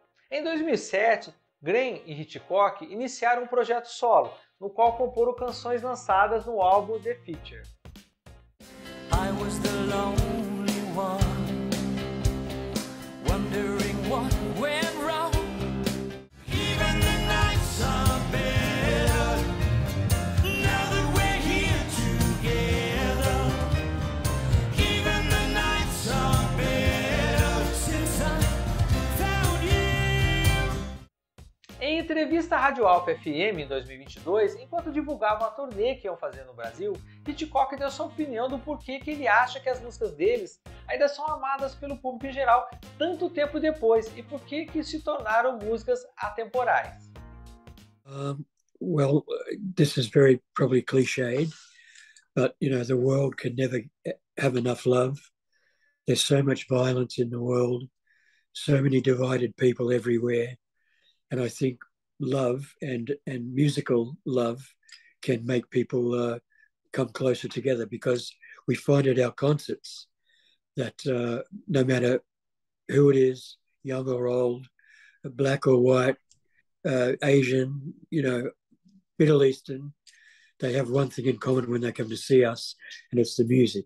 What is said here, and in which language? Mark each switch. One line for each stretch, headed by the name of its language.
Portuguese: Em 2007, Glenn e Hitchcock iniciaram um projeto solo, no qual comporam canções lançadas no álbum The Feature.
English: I was the lonely one, wondering what went wrong. Even the nights are better now that we're here together. Even the nights are better since I found you.
Portuguese: Em entrevista à Rádio Alfa FM em 2022, enquanto divulgavam a turnê que iam fazer no Brasil, Hitchcock deu sua opinião do porquê que ele acha que as músicas deles ainda são amadas pelo público em geral tanto tempo depois e por que se tornaram músicas atemporais.
English: Well, this is very probably cliched, but you know, the world can never have enough love. There's so much violence in the world, so many divided people everywhere, and I think love and musical love can make people come closer together, because we find at our concerts that no matter who it is, young or old, black or white, Asian, you know, Middle Eastern, they have one thing in common when they come to see us, and it's the music.